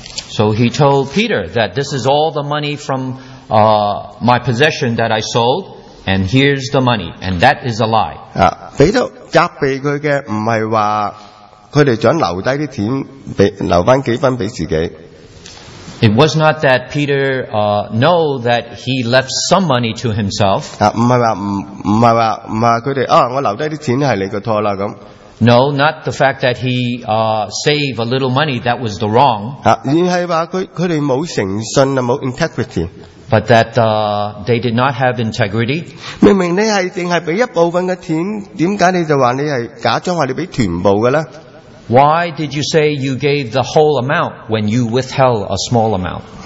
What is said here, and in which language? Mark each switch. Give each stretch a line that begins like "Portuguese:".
English: So he told Peter that this is all the money from my possession that I sold, and here's the money, and that is a lie.
Chinese: 彼得責備他的不是說他們想留下錢,留幾分給自己。
English: It was not that Peter know that he left some money to himself.
Chinese: 不是說他們,我留下的錢是你的錯。
English: No, not the fact that he saved a little money, that was the wrong.
Chinese: 而是說他們沒有誠信,沒有integrity。
English: But that they did not have integrity.
Chinese: 明明你只是給一部分的錢,為什麼你就說你是假裝說你給全部的呢?
English: Why did you say you gave the whole amount when you withheld a small amount?